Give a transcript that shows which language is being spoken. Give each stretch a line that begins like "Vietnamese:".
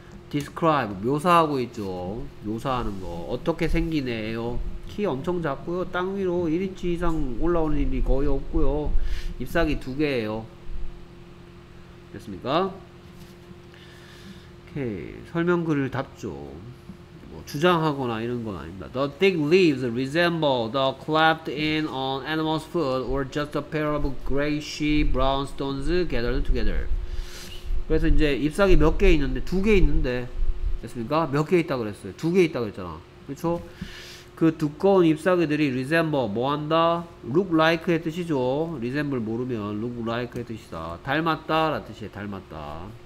Korean: Describe, 묘사하고 있죠. 묘사하는 거. 어떻게 생기네요? 키 엄청 작고요. 땅 위로 1인치 이상 올라오는 일이 거의 없고요. 잎사귀 두 개예요. 됐습니까? 오케이. 설명글을 답죠. 뭐 주장하거나 이런 건 아닙니다.
English: The thick leaves resemble the clapped in on animal's foot or just a pair of grayish brown stones gathered together.
Korean: 그래서 이제 잎사귀 몇 개 있는데? 두 개 있는데. 됐습니까? 몇 개 있다고 그랬어요. 두 개 있다고 했잖아. 그렇죠? 그 두꺼운 잎사귀들이 resemble 뭐한다? look like의 뜻이죠. resemble 모르면 look like의 뜻이다. 닮았다 라는 뜻이에요. 닮았다.